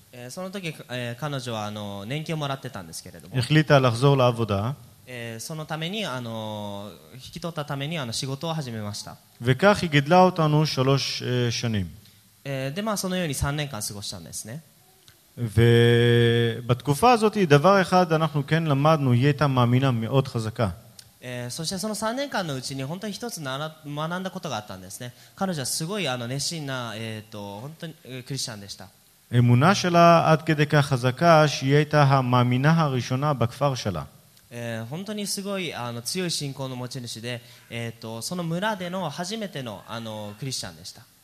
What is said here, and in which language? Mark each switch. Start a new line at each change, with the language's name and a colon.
Japanese: その時、彼女はあの年金をもらってたんですけれども。
Hebrew: החליטה לחזור לעבודה.
Japanese: そのためにあの引き取ったためにあの仕事を始めました。
Hebrew: וכך היא גידלה אותנו 3 שנים.
Japanese: でまあそのように3年間過ごしたんですね。
Hebrew: ובתקופה הזאת דבר אחד אנחנו כן למדנו, היא הייתה מאמינה מאוד חזקה.
Japanese: そしてその3年間のうちに本当に一つ学んだことがあったんですね。彼女はすごいあの熱心な本当にクリスチャンでした。
Hebrew: אמונה שלה עד כדי כך חזקה שהיא הייתה המאמינה הראשונה בכפר שלה.
Japanese: 本当にすごいあの強い信仰の持ち主で、その村での初めてのあのクリスチャンでした。